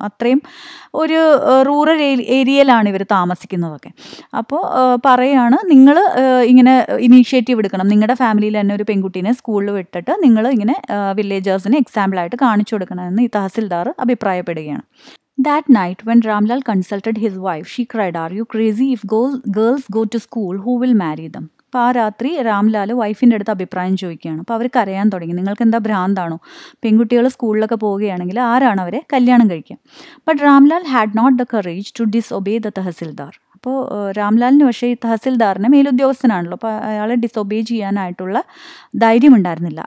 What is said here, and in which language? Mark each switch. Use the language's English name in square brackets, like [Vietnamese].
[Malayalam] അത്രയും ഒരു റൂറൽ ഏരിയയിലാണ് ഇവർ താമസിക്കുന്നതൊക്കെ. അപ്പോൾ പറയുകയാണ്, നിങ്ങൾ ഇങ്ങനെ ഇനീഷ്യേറ്റീവ് എടുക്കണം. നിങ്ങളുടെ ഫാമിലിയിൽ തന്നെ ഒരു പെൺകുട്ടീനെ സ്കൂളിൽ വിട്ടിട്ട് നിങ്ങൾ ഇങ്ങനെ വില്ലേജേഴ്സിനെ എക്സാമ്പിളായിട്ട് കാണിച്ചു കൊടുക്കണമെന്ന് ഈ tahsildar അഭിപ്രായപ്പെടുകയാണ്. [English] That night, when Ramlal consulted his wife, she cried, "Are you crazy? If girls go to school, who will marry them?" [Malayalam] അപ്പോൾ ആ രാത്രി രാംലാൽ വൈഫിൻ്റെ അടുത്ത് അഭിപ്രായം ചോദിക്കുകയാണ്. അപ്പോൾ അവർ കരയാൻ തുടങ്ങി, നിങ്ങൾക്ക് എന്താ ഭ്രാന്താണോ, പെൺകുട്ടികൾ സ്കൂളിലൊക്കെ പോവുകയാണെങ്കിൽ ആരാണ് അവരെ കല്യാണം കഴിക്കുക. [English] But Ramlal had not the courage to disobey the tahsildar. [Malayalam] അപ്പോൾ രാംലാലിന് പക്ഷേ ഈ തഹസിൽദാറിനെ മേലുദ്യോഗസ്ഥനാണല്ലോ, അപ്പോൾ അയാളെ ഡിസൊബേ ചെയ്യാനായിട്ടുള്ള ധൈര്യമുണ്ടായിരുന്നില്ല.